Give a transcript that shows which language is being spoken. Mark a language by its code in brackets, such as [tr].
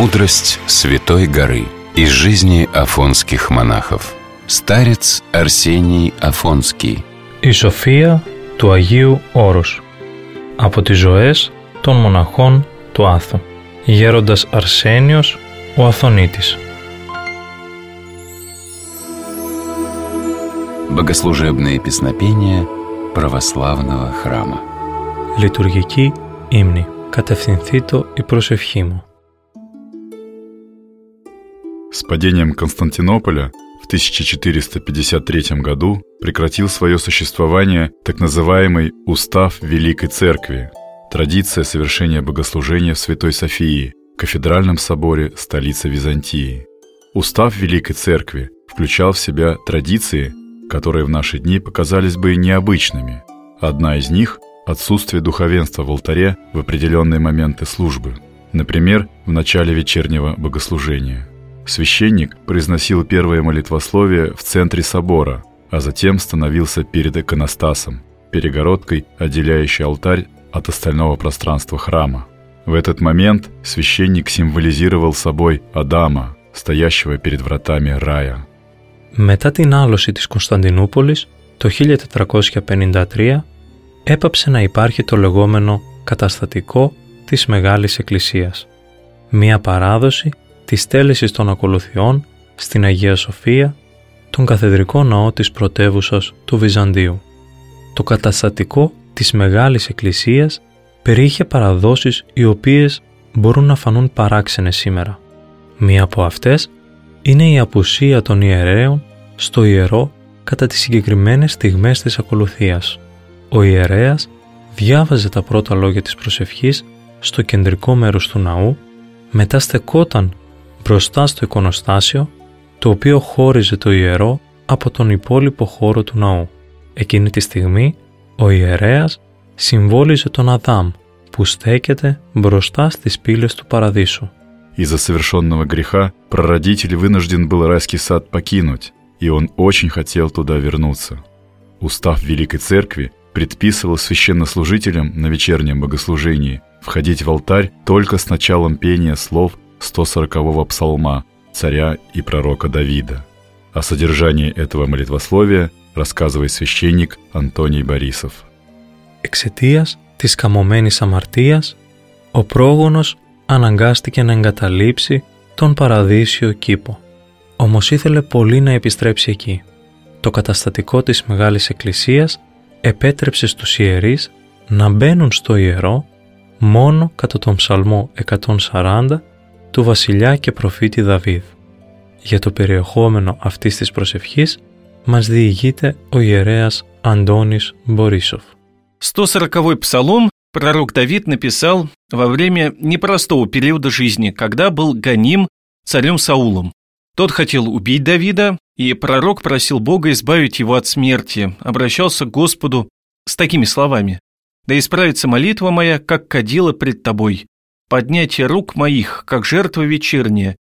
[ru] Мудрость Святой Горы из жизни афонских монахов. Старец Арсений Афонский. [el] И София του Αγίου Όρους. Από τις ζωές των μοναχών του Άθου. Γέροντας Αρσένιος ο Αθωνίτης. [ru] Богослужебные песнопения православного храма. [el] Λειτουργική ύμνη. Κατευθυνθήτω η προσευχή μου. [ru] С падением Константинополя в 1453 году прекратил свое существование так называемый «Устав Великой Церкви» – традиция совершения богослужения в Святой Софии, кафедральном соборе столицы Византии. Устав Великой Церкви включал в себя традиции, которые в наши дни показались бы необычными. Одна из них – отсутствие духовенства в алтаре в определенные моменты службы, например, в начале вечернего богослужения. Священник произносил первое молитвословие в центре собора, а затем становился перед иконостасом, перегородкой, отделяющей алтарь от остального пространства храма. В этот момент священник символизировал собой Адама, стоящего перед вратами рая. [el] Μετά την άλωση της Κωνσταντινούπολης το 1453 έπαψε να υπάρχει το λεγόμενο καταστατικό της Μεγάλης Εκκλησίας. Μία παράδοση της τέλεσης των ακολουθιών στην Αγία Σοφία, τον καθεδρικό ναό της πρωτεύουσας του Βυζαντίου. Το καταστατικό της Μεγάλης Εκκλησίας περιείχε παραδόσεις οι οποίες μπορούν να φανούν παράξενες σήμερα. Μία από αυτές είναι η απουσία των ιερέων στο ιερό κατά τις συγκεκριμένες στιγμές της ακολουθίας. Ο ιερέας διάβαζε τα πρώτα λόγια της προσευχής στο κεντρικό μέρος του ναού, μετά στεκόταν μπροστά στο εικονοστάσιο, το οποίο χώριζε το ιερό από τον υπόλοιπο χώρο του ναού. Εκείνη τη στιγμή, ο ιερέας συμβόλιζε τον Αδάμ, που στέκεται μπροστά στις πύλες του Παραδείσου. [ru] Из-за совершенного греха прародитель вынужден был райский сад покинуть, и он очень хотел туда вернуться. Устав Великой Церкви предписывал священнослужителям на вечернем богослужении входить в алтарь только с началом пения слов 140-го псалма царя и пророка Давида. О содержании этого молитвословия рассказывает священник Антоний Борисов. [el] Εξαιτίας της καμωμένης αμαρτίας, ο πρόγονος αναγκάστηκε να εγκαταλείψει τον παραδείσιο κήπο. Όμως ήθελε πολύ να επιστρέψει εκεί. Το καταστατικό της Μεγάλης Εκκλησίας επέτρεψε στους ιερείς να μπαίνουν στο ιερό μόνο κατά τον ψαλμό 140 του βασιλιά και προφήτη Δαβίδ. Για το περιεχόμενο αυτής της προσευχής μας διηγείται ο ιερέας Αντώνης Μπορίσοφ. [ru] 140-й ψαλμό пророк Давид написал во время непростого периода жизни, когда был гоним царем Саулом. Тот хотел убить Давида, и пророк просил Бога избавить его от смерти, обращался к Господу с такими словами: «Да исправится молитва моя, как кадила пред тобой, поднятие рук моих, как жертва вечерняя.